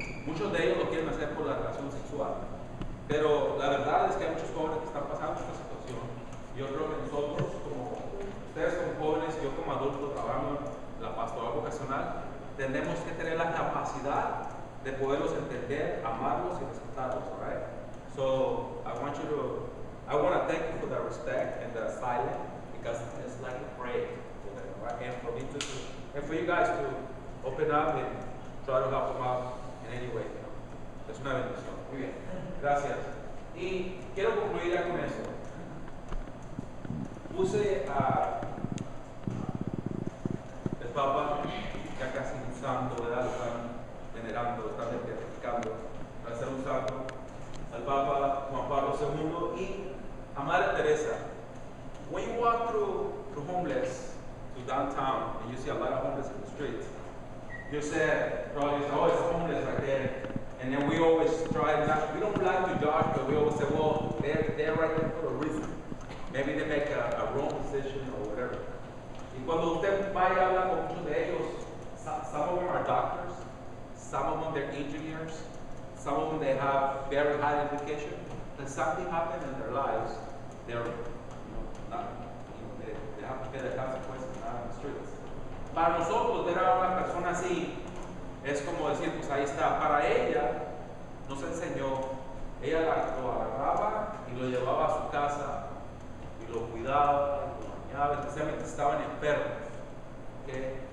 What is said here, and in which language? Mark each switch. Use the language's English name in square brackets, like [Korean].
[Spanish] Muchos de ellos lo quieren hacer por la relación sexual. Pero la verdad es que hay muchos jóvenes que están pasando esta situación. Yo creo que nosotros, como ustedes como jóvenes, yo como adulto, trabajando en la pastoral vocacional, tenemos que tener la capacidad de poderlos entender, amarlos y respetarlos, right? [English] So, I want to thank you for the respect and the silence, because it's like a break for them, right? And for me to, and for you guys to open up and try to help them out in any way, you know? [Spanish] Es una bendición. Muy bien. Gracias. Y quiero concluir ya con eso. Puse a el Papa, ya casi un santo, ¿verdad? Lo están venerando, lo están identificando para ser un santo, al Papa Juan Pablo II y a Madre Teresa. [English] When you walk through homeless to downtown and you see a lot of homeless in the streets, you say, probably, oh, it's homeless right there. And then we always try not, we don't like to judge, but we always say, well, they're right there for a reason. Maybe they make a wrong decision or whatever. [Spanish] Y cuando usted va y habla con muchos de ellos, [English] some of them are doctors, some of them they're engineers, some of them they have very high education, but something happened in their lives, they're, you know, they have to pay the consequences not on the streets. [Spanish] Para nosotros, ver a una persona así, es como decir, pues ahí está. Para ella, nos enseñó, ella lo agarraba y lo llevaba a su casa, y lo cuidaba, y lo bañaba, especialmente si estaban enfermos. Okay?